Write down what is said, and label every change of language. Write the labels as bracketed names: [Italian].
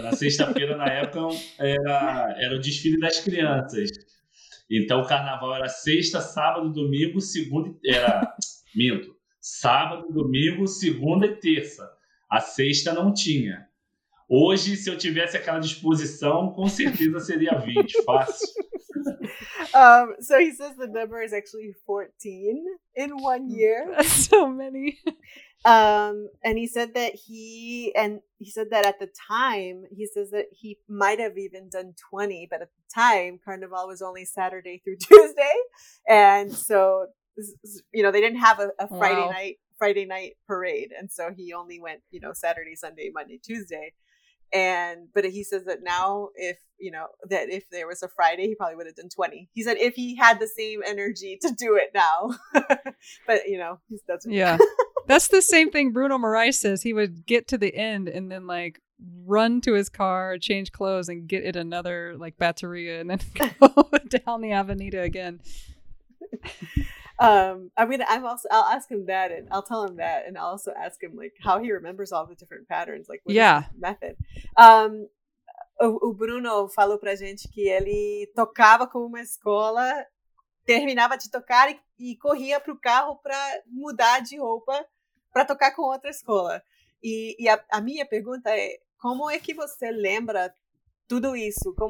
[Portuguese] Na sexta-feira, na época, era o desfile das crianças. Então, o carnaval era sexta, sábado, domingo, segunda e terça. Minto. Sábado, domingo, segunda e terça. A sexta não tinha. Hoje, se eu tivesse aquela disposição, com certeza seria 20. Fácil. [English] So he says the number is actually 14 in 1 year. That's so many. And he said that at the time, he says that he might have even done 20, but at the time, Carnival was only Saturday through Tuesday. And so, you know, they didn't have a Friday night parade. And so he only went, you know, Saturday, Sunday, Monday, Tuesday. But he says that now, if there was a Friday, he probably would have done 20. He said if he had the same energy to do it now. But, you know, that's what yeah. That's the same thing Bruno Marais says. He would get to the end and then, like, run to his car, change clothes, and get in another, like, Bateria, and then go down the Avenida again. I'll ask him that, and I'll tell him that, and I'll also ask him like how he remembers all the different patterns, like method. [Portuguese] O Bruno falou pra gente que ele tocava com uma escola, terminava de tocar e corria pro carro para mudar de roupa para tocar com outra escola. E a minha pergunta é: como é que você lembra tudo isso?